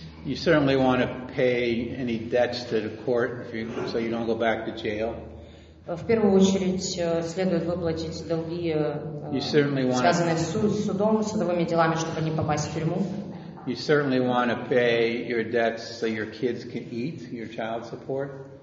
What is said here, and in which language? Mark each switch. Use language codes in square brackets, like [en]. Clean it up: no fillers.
[en] You certainly want to pay any debts to the court so you don't go back to jail. [ru] В первую очередь следует выплатить долги, связанные с судом, судовыми делами, чтобы не попасть в тюрьму. [en] You certainly want to pay your debts so your kids can eat, your child support.